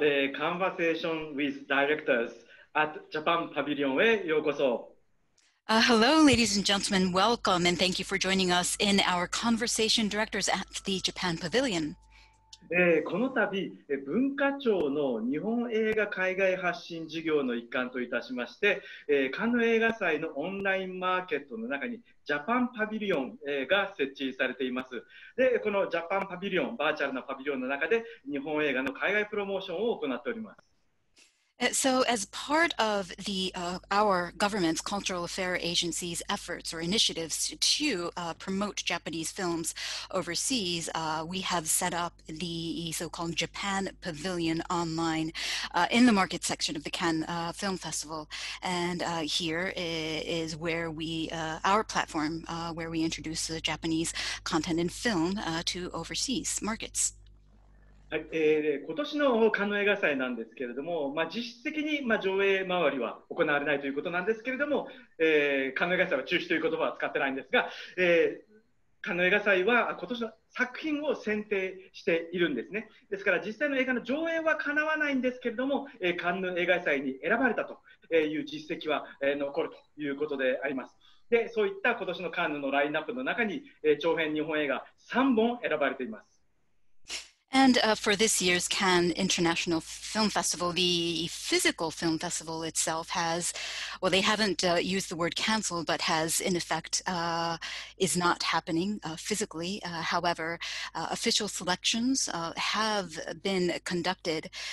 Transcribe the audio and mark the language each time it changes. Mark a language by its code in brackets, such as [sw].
[en] Conversation with Directors at Japan Pavilion [ja] へようこそ。 [en] Hello, ladies and gentlemen. Welcome and thank you for joining us in our Conversation Directors at the Japan Pavilion. [ja] この度、文化庁の日本映画海外発信事業の一環といたしまして、カンヌ映画祭のオンラインマーケットの中にジャパンパビリオンが設置されています。でこのジャパンパビリオン、バーチャルなパビリオンの中で日本映画の海外プロモーションを行っております。 [en] So as part of the, our government's cultural affairs agency's efforts or initiatives to promote Japanese films overseas, we have set up the so-called Japan Pavilion online in the market section of the Cannes Film Festival. And here is where we, our platform, where we introduce the Japanese content and film to overseas markets. [ja] はい、今年のカンヌ映画祭なんですけれども、まあ、実質的に、まあ、上映周りは行われないということなんですけれども、カンヌ映画祭は中止という言葉は使ってないんですが、カンヌ映画祭は今年の作品を選定しているんですね。ですから実際の映画の上映は叶わないんですけれども、カンヌ映画祭に選ばれたという実績は残るということであります。でそういった今年のカンヌのラインナップの中に、長編日本映画3本選ばれています。 [en] And for this year's Cannes International Film Festival, the physical film festival itself has, well, they haven't used the word canceled, but has in effect is not happening physically. However, official selections have been conducted.